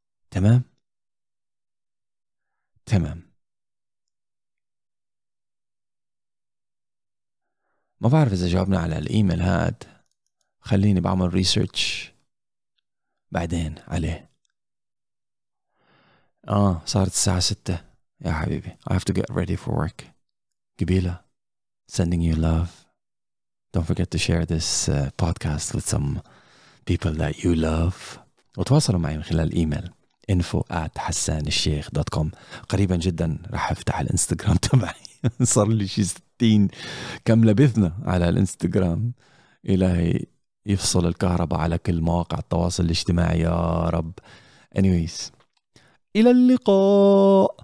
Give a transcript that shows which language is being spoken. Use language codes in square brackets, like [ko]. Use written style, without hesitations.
[ar] تمام تمام. ما بعرف إذا جاوبنا على الإيميل هاد، خليني بعمل ريسيرش بعدين عليه. صارت الساعة 6 يا حبيبي. [en] I have to get ready for work. قبيلة، sending you love. Don't forget to share this podcast with some people that you love. [ar] وتواصلوا معي من خلال الإيميل info@hassanelsheikh.com. قريبا جدا راح افتح الانستغرام تبعي. صار لي شيء 60 كم لبثنا على الانستغرام. إلهي يفصل الكهرباء على كل مواقع التواصل الاجتماعي يا رب. Anyways إلى اللقاء.